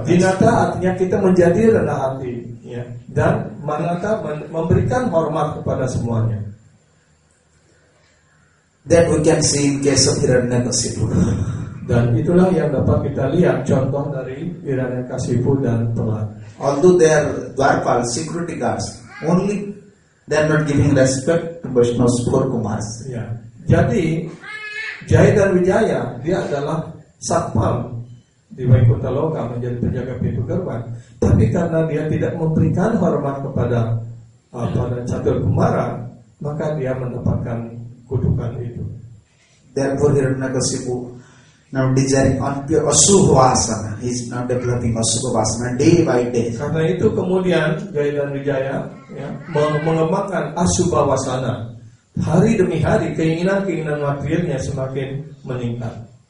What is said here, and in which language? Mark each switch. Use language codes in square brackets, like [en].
[id] Dinata artinya kita menjadi rendah hati. Yeah. Dan manata memberikan hormat kepada semuanya. [en] That we can see in case of Hiranyakasipu. [id] Dan itulah yang dapat kita lihat contoh dari Hiranyakasipu dan Prahlad. [en] Although they are dwarpal security guards, only they are not giving respect to Vaishnava's four kumars. Yeah. [id] Jadi Jaya dan Wijaya dia adalah satpam di Vaikuntha Loka, menjadi penjaga pintu gerbang. Tapi karena dia tidak memberikan hormat kepada pada catur kumara, maka dia mendapatkan kutukan itu. [en] Therefore Hiranyakasipu now desiring on pure asubhavasana, he is now developing asubhavasana day by day. [id] Karena itu kemudian Jaya dan Wijaya, ya, mengembangkan asubhavasana hari demi hari, keinginan-keinginan materialnya semakin meningkat.